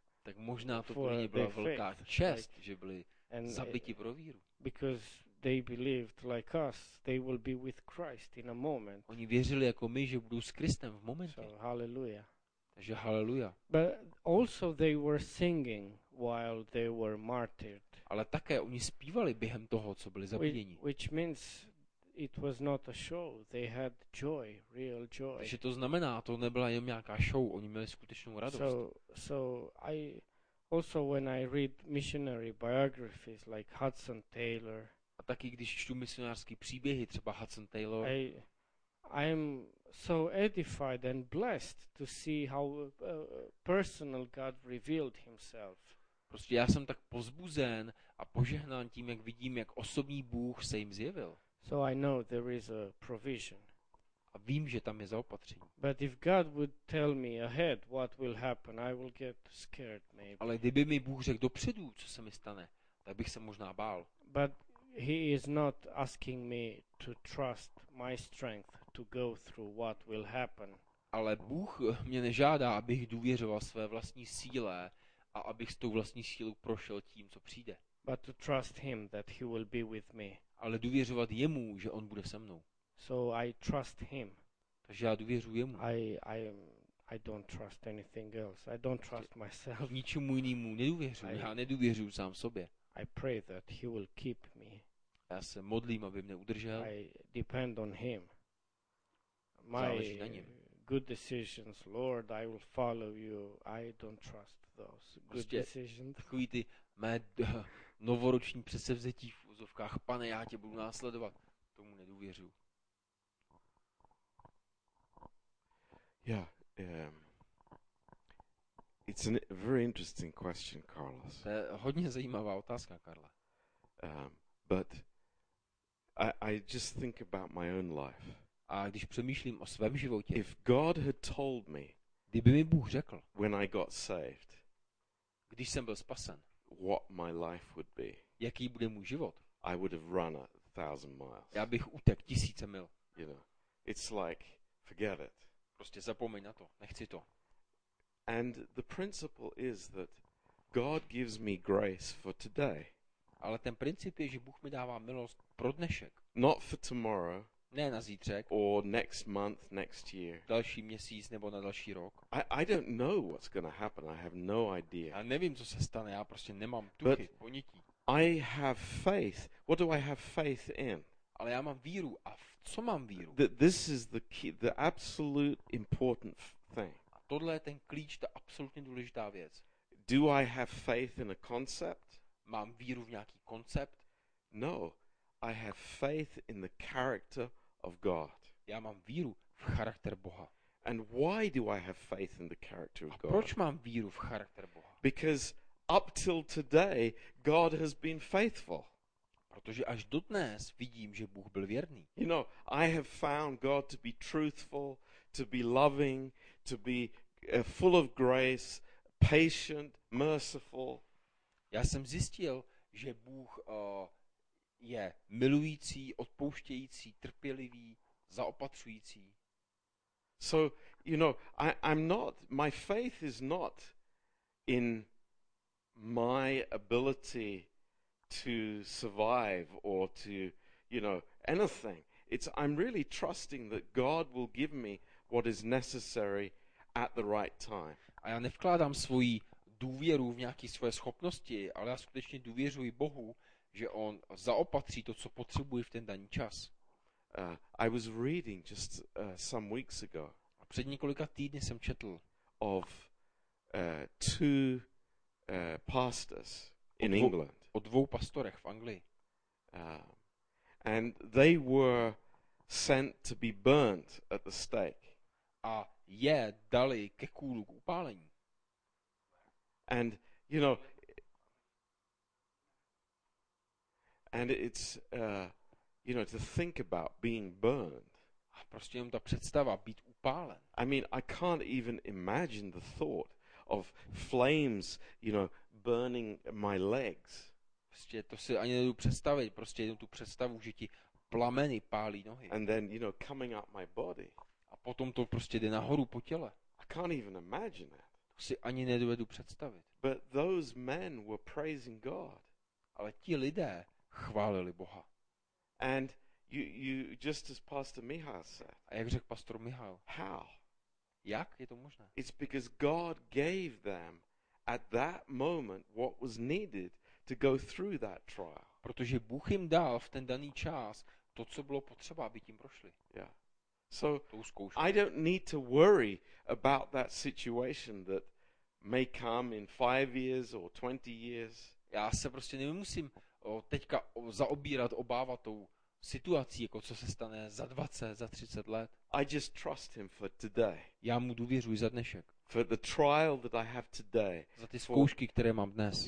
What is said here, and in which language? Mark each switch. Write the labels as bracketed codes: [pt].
[cs] Tak možná to pro ně byla velká čest, [en] like, [cs] že byli zabiti pro víru. [en] Because they believed like us, they will be with Christ in a moment. [cs] Oni věřili jako my, že budou s Kristem v momentě. [en] So hallelujah. [cs] Že haleluja. [en] But also they were singing while they were martyred. [cs] Ale také oni zpívali během toho, co byli zabíjeni. [en] Which means it was not a show. They had joy, real joy. [cs] Takže to znamená, to nebyla jen nějaká show, oni měli skutečnou radost. [en] So I also when I read missionary biographies like Hudson Taylor. [cs] A taky když čtu misionářské příběhy třeba Hudson Taylor. [en] I'm so edified and blessed to see how personal God revealed himself. [cs] Prostě já jsem tak povzbuzen a požehnán tím, jak vidím, jak osobní Bůh se jim zjevil. [en] So I know there is a provision. [cs] A vím, že tam je zaopatření. [en] But if God would tell me ahead what will happen, I will get scared maybe. [cs] Ale kdyby mi Bůh řekl dopředu, co se mi stane, tak bych se možná bál. [en] But he is not asking me to trust my strength to go through what will happen. [cs] Ale Bůh mě nežádá, abych důvěřoval své vlastní síle a abych s tou vlastní sílou prošel tím, co přijde. [en] But to trust him that he will be with me. [cs] Ale důvěřovat jemu, že on bude se mnou. [en] So I trust him. [cs] Takže já důvěřuji jemu. [en] I don't trust anything else. I don't trust myself. [cs] Ničemu jinému nedůvěřuji. Já nedůvěřuji sám sobě. [en] I pray that he will keep me. [cs] Já se modlím, aby mě udržel. [en] I depend on him. [cs] Záleží na něm. [en] Good decisions, Lord, I will follow you. I don't trust those good [cs] prostě [en] decisions. [cs] Takový ty mé novoroční přesevzetí v úzovkách. Pane, já tě budu následovat. Tomu nedůvěřuji. [en] Yeah, it's a very interesting question, Carlos. [cs] To je hodně zajímavá otázka, Karla. [en] But I just think about my own life. [cs] A když přemýšlím o svém životě. [en] If God had told me, [cs] kdyby mi Bůh řekl, [en] when I got saved, [cs] když jsem byl spasen, [en] what my life would be, [cs] jaký bude můj život, [en] I would have run 1,000 miles. [cs] Já bych utek 1,000 mil. [en] You know, it's like, forget it. [cs] Prostě zapomeň na to, nechci to. [en] And the principle is that God gives me grace for today. [cs] Ale ten princip je, že Bůh mi dává milost pro dnešek. [en] Not for tomorrow. [cs] Ne na zítřek. [en] Or next month, next year. [cs] Další měsíc nebo na další rok. [en] I don't know what's going to happen. I have no idea. [cs] Já nevím, co se stane. Já prostě nemám tuchy, ponětí. [en] I have faith. What do I have faith in? [cs] Ale já mám víru. A v co mám víru? [en] That this is the key, the absolute important thing. [cs] A tohle je ten klíč, ta absolutně důležitá věc. [en] Do I have faith in a concept? [cs] Mám víru v nějaký koncept? [en] No, I have faith in the character of God. [cs] Já mám víru v charakter Boha. [en] And why do I have faith in the character of God? [cs] A proč mám víru v charakter Boha? [en] Because up till today God has been faithful. [cs] Protože až dodnes vidím, že Bůh byl věrný. [en] You know, I have found God to be truthful, to be loving, to be full of grace, patient, merciful. [cs] Já jsem zjistil, že Bůh je milující, odpouštějící, trpělivý, zaopatřující. [en] So, you know, I'm not, my faith is not in my ability to survive or to, you know, anything. It's I'm really trusting that God will give me what is necessary at the right time. [cs] A já nevkládám svoji důvěru v nějaké svoje schopnosti, ale já skutečně důvěřuji Bohu, že on zaopatří to, co potřebuji v ten daný čas. [en] I was reading just some weeks ago. [cs] A před několika týdny jsem četl [en] of two pastors in England. [cs] O dvou pastorech v Anglii. [en] And they were sent to be burnt at the stake. [cs] A je dali ke kůlu k upálení. [en] And you know, and it's you know, to think about being burned. [cs] A prostě jenom ta představa být upálen. [en] I mean, I can't even imagine the thought of flames, you know, burning my legs. [cs] Prostě to si ani nedu představit, prostě jenom tu představu, že ti plameny pálí nohy. [en] And then, you know, coming up my body. [cs] A potom to prostě jde nahoru po těle. [en] I can't even imagine it. [cs] To si ani nedovedu představit. [en] But those men were praising God. [cs] Ale ti lidé chválili Boha. [en] And you just as Pastor Michal said. [cs] A jak řekl pastor Michal? [en] How? [cs] Jak je to možné? [en] It's because God gave them at that moment what was needed to go through that trial. [cs] Protože Bůh jim dal v ten daný čas to, co bylo potřeba, aby tím prošli. [en] Yeah. So I don't need to worry about that situation that may come in 5 years or 20 years. [cs] Já se prostě nemusím teďka zaobírat, obávat tou situací, jako co se stane za 20, za 30 let. [en] I just trust him for today. [cs] Já mu důvěřuji za dnešek. [en] For the trial that I have today. [cs] Za ty zkoušky, které mám dnes.